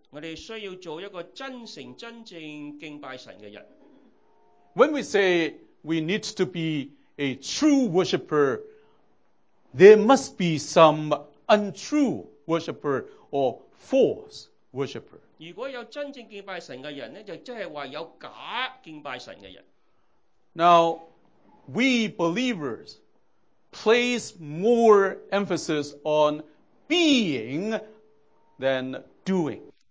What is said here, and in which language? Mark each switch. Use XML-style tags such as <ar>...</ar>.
<en>When we say we need to be a true worshiper, there must be some untrue worshiper or false worshiper.</en> <zh>如果有真正敬拜神的人呢，就即係話有假敬拜神的人。</zh> <en>Now, we believers place more emphasis on being than doing.</en>